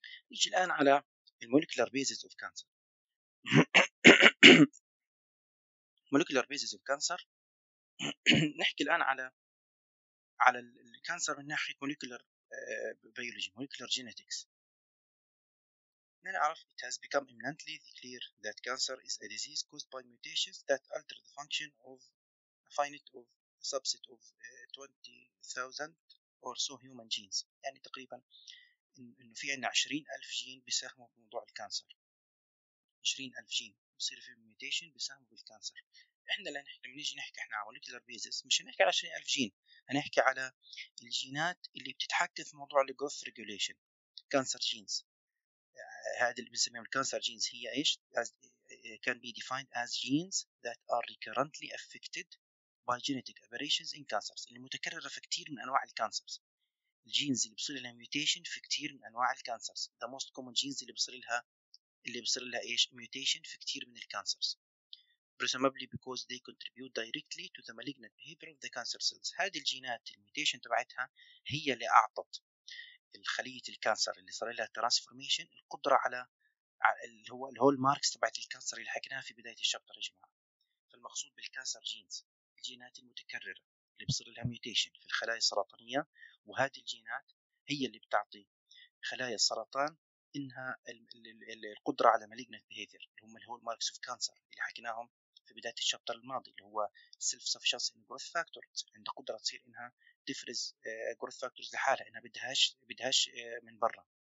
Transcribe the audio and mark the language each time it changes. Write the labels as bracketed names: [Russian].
[Arabic] نيجي الان على [English] المولكيولار basis of cancer. Molecular basis of cancer, [Arabic] نحكي الان على [English] الكانسر من ناحيه مولكيولار بيولوجي، مولكيولار جينيتكس. [Arabic] نعرف [English] it has become eminently clear that cancer is a disease caused by mutations that alter the function of a finite of subset of 20,000 or so human genes. [Arabic] يعني تقريبا إنه في عنا 20,000 جين بيساهموا في موضوع الكانسر. 20,000 جين بصير في mutation بيساهموا في الكانسر. إحنا لما نيجي نحكي إحنا على مولكيولار بيزس، مش نحكي على 20,000 جين، هنحكي على الجينات اللي بتتحكم في موضوع الـ growth regulation، cancer genes. هذه اللي بنسميها الـ cancer genes هي إيش؟ [English] can be defined as genes that are recurrently affected by genetic aberrations in cancers، [Arabic] اللي متكررة في كتير من أنواع الكانسرز. genes اللي بصير لها mutation في كتير من أنواع الكانسرز. [English] the most common genes [Arabic] اللي بصير لها إيش؟ mutation في كتير من الكانسرز. [English] presumably because they contribute directly to the malignant behavior of the cancer cells. [Arabic] هذه الجينات الميوتيشن تبعتها هي اللي أعطت الخلية الكانسر اللي صار لها transformation القدرة على اللي هو الهول ماركس تبعت الكانسر اللي حكيناها في بداية الشابتر يا جماعة. فالمقصود بالكانسر جينز الجينات المتكررة اللي بصير لها ميوتيشن في الخلايا السرطانية، وهذه الجينات هي اللي بتعطي خلايا السرطان إنها القدرة على malignant behavior اللي هم الهول ماركس of cancer اللي حكيناهم في بداية الشابتر الماضي، اللي هو [English] self-sufficiency in growth factors، [Arabic] عندها قدرة تصير إنها تفرز growth factors لحالها، إنها بدهاش من برا.